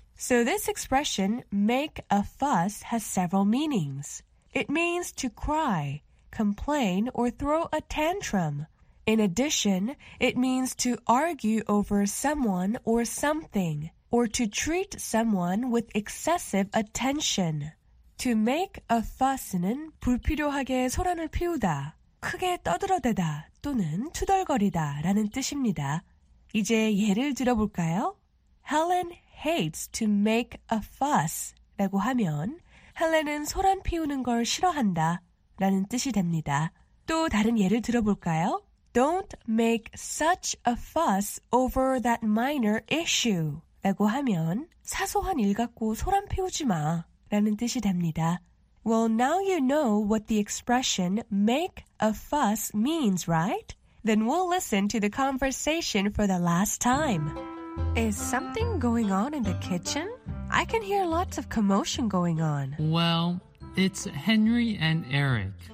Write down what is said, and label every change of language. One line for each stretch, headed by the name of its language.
English: So this expression, make a fuss, has several meanings. It means to cry, complain, or throw a tantrum. In addition, it means to argue over someone or something, or to treat someone with excessive attention. To make a fuss는
Korean: 불필요하게 소란을 피우다, 크게 떠들어대다, 또는 투덜거리다 라는 뜻입니다. 이제 예를 들어볼까요?
English: Helen hates to make a fuss
Korean: 라고 하면 헬렌은 소란 피우는 걸 싫어한다. 라는 뜻이 됩니다. 또 다른 예를 들어볼까요?
English: Don't make such a fuss over that minor issue.
Korean: 라고 하면 사소한 일 갖고 소란 피우지 마. 라는 뜻이 됩니다.
English: Well, now you know what the expression make a fuss means, right? Then we'll listen to the conversation for the last time. Is something going on in the kitchen? I can hear lots of commotion going on. Well, it's Henry and Eric.